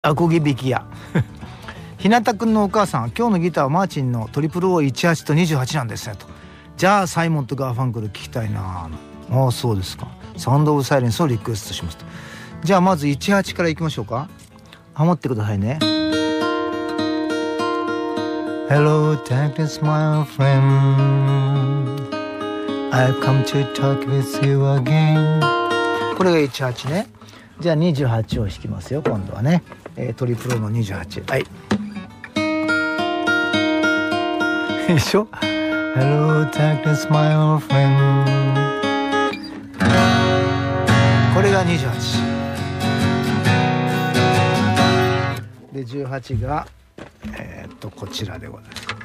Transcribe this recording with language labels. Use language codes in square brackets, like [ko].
[ja] アコギ弾き屋日向くんのお母さん、今日のギターはマーチンのトリプル O18 と28なんですねと。じゃあサイモンとガーファンクル聞きたいな。ああそうですか、サウンドオブサイレンスをリクエストしますと。じゃあまず18からいきましょうか。ハモってくださいね。 [en] Hello darkness my friend, I've come to talk with you again。 [ja] これが18ね。じゃあ28を弾きますよ今度はね、トリプルの28。はい、いいでしょ。 [en] Hello darkness my old friend、 [ja] これが28で、18がこちらでございます。